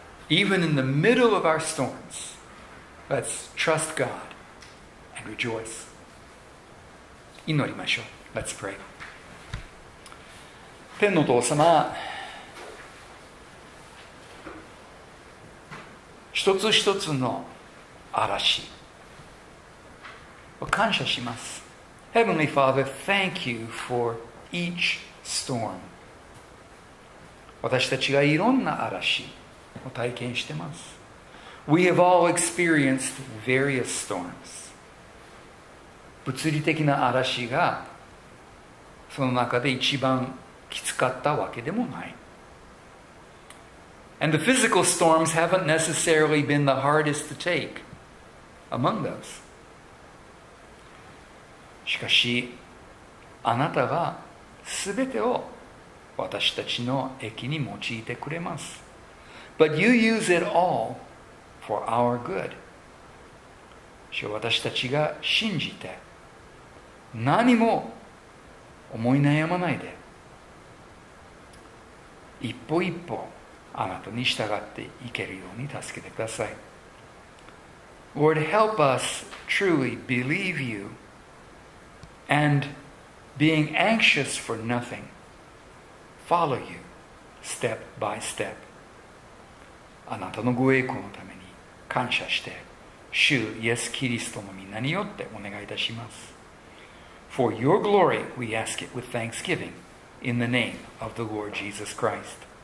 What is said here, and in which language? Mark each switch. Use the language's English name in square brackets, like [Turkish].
[English] Even in the middle of our storms,Let's trust God and rejoice. [Japanese] 祈りましょう。 [English] Let's pray. [Japanese] 天の父様、一つ一つの嵐を感謝します。 [English] Heavenly Father, thank you for each storm. [Japanese] 私たちがいろんな嵐を体験してます。 [English] We have all experienced various storms. [Japanese] 物理的な嵐がその中で一番きつかったわけでもない。 [English] And the physical storms haven't necessarily been the hardest to take among those. [Japanese] しかし、あなたがすべてを私たちの益に用いてくれます。 [English] But you use it all for our good. [Japanese] 主は私たちが信じて、何も思い悩まないで、一歩一歩あなたに従っていけるように助けてください。 [English] Lord, help us truly believe you and being anxious for nothing. Follow you step by step. [Japanese] あなたのご栄光のために感謝して、主イエス・キリストの皆によってお願いいたします。 [English] For your glory we ask it with thanksgiving in the name of the Lord Jesus Christ.